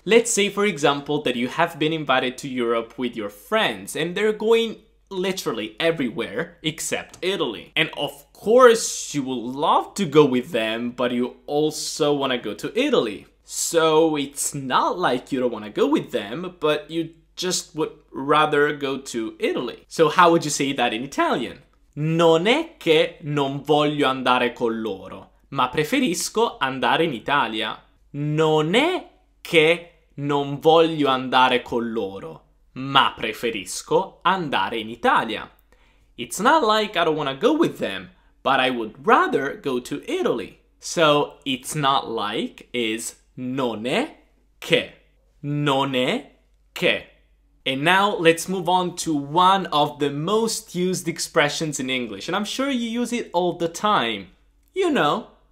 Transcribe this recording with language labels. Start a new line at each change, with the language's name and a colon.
English: Let's say for example that you have been invited to Europe with your friends and they're going literally everywhere except Italy. And of course you would love to go with them, but you also want to go to Italy. So it's not like you don't want to go with them, but you just would rather go to Italy. So how would you say that in Italian?
Italian: Non è che non voglio andare con loro, ma preferisco andare in Italia. Non è che non voglio andare con loro, ma preferisco andare in Italia.
English: It's not like I don't want to go with them, but I would rather go to Italy. So it's not like is
Italian: non è che. Non è che.
English: And now let's move on to one of the most used expressions in English, and I'm sure you use it all the time. You know.